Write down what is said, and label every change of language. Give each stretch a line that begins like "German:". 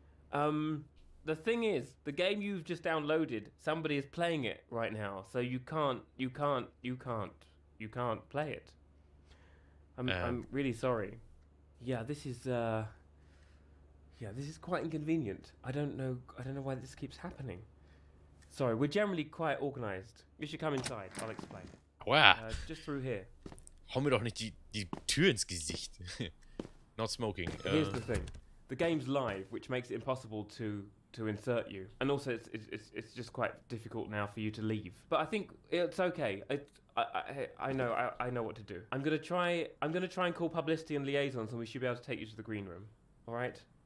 English: The thing is, the game you've just downloaded, somebody is playing it right now, so you can't play it. I'm really sorry. Yeah, this is quite inconvenient. I don't know why this keeps happening. Sorry, we're generally quite organized. You should come inside. I'll explain. Wow. Just through here.
German: Hau mir doch nicht die Tür ins Gesicht.
English: Not smoking. Here's the thing. The game's live, which makes it impossible to insert you. And also, it's just quite difficult now for you to leave. But I think it's okay. I know what to do. I'm gonna try and call publicity and liaisons, and we should be able to take you to the green room. All right?